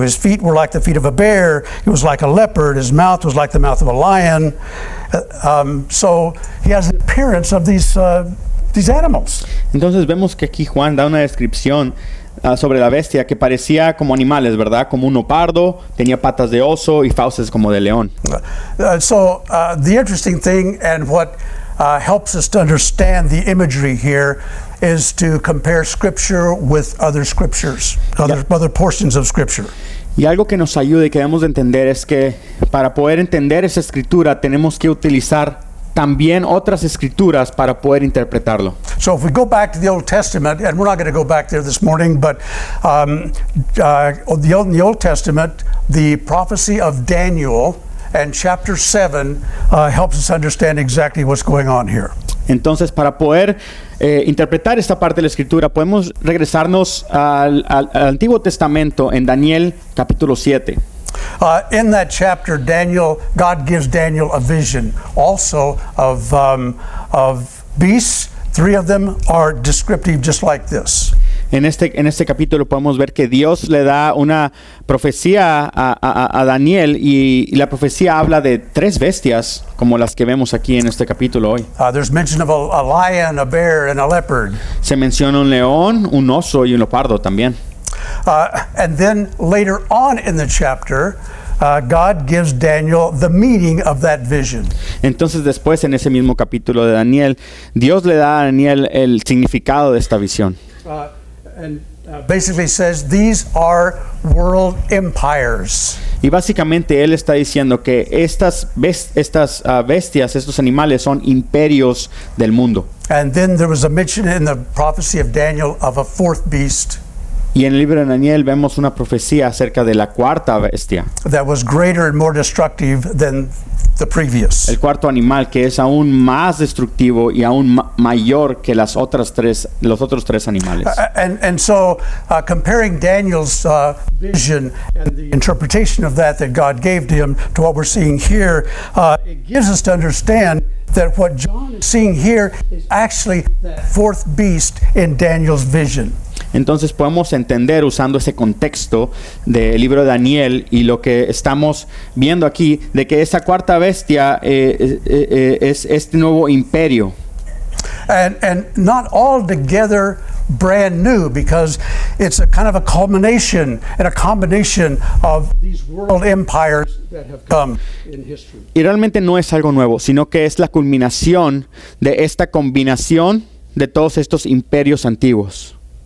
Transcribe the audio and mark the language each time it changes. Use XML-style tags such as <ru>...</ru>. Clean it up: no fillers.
<en>His feet were like the feet of a bear. He was like a leopard. His mouth was like the mouth of a lion. So he has the appearance of these animals.</en> <es>Entonces vemos que aquí Juan da una descripción sobre la bestia que parecía como animales, ¿verdad? Como un leopardo, tenía patas de oso y fauces como de león.</es> <en>So the interesting thing and what helps us to understand the imagery here is to compare scripture with other scriptures, other portions of scripture.</en> <es>Y algo que nos ayude y que debemos de entender es que para poder entender esa escritura tenemos que utilizar también otras escrituras para poder interpretarlo.</es> <en>So if we go back to the Old Testament, and we're not going to go back there this morning, but in the Old Testament, the prophecy of Daniel and chapter 7 helps us understand exactly what's going on here.</en> <es>Entonces, para poder interpretar esta parte de la Escritura, podemos regresarnos al Antiguo Testamento en Daniel capítulo 7.</es> <en>In that chapter, Daniel, God gives Daniel a vision also of beasts. 3 of them are descriptive just like this.</en> <es>En este capítulo podemos ver que Dios le da una profecía a Daniel y la profecía habla de 3 bestias como las que vemos aquí en este capítulo hoy.</es> <en>There's mention of a lion, a bear, and a leopard.</en> <es>Se menciona un león, un oso y un leopardo también.</es> <en>And then later on in the chapter, God gives Daniel the meaning of that vision.</en> <es>Entonces después en ese mismo capítulo de Daniel, Dios le da a Daniel el significado de esta visión.</es> <en>And basically says these are world empires.</en> <es>Y básicamente él está diciendo que estas bestias, estos animales son imperios del mundo.</es> <en>And then there was a mention in the prophecy of Daniel of a fourth beast.</en> <es>Y en el libro de Daniel vemos una profecía acerca de la cuarta bestia.</es> <en>That was greater and more destructive than the previous.</en> <es>El cuarto animal que es aún más destructivo y aún mayor que las otras tres, los otros tres animales.</es> <en>And so comparing Daniel's vision and the interpretation of that that God gave to him to what we're seeing here, it gives us to understand that what John is seeing here is actually that fourth beast in Daniel's vision.</en> <es>Entonces podemos entender usando ese contexto del libro de Daniel y lo que estamos viendo aquí de que esa cuarta bestia es este nuevo imperio.</es> <en>And not altogether brand new because it's a kind of a culmination and a combination of these world empires that have come in history.</en> <es>Y realmente no es algo nuevo, sino que es la culminación de esta combinación de todos estos imperios antiguos.</es>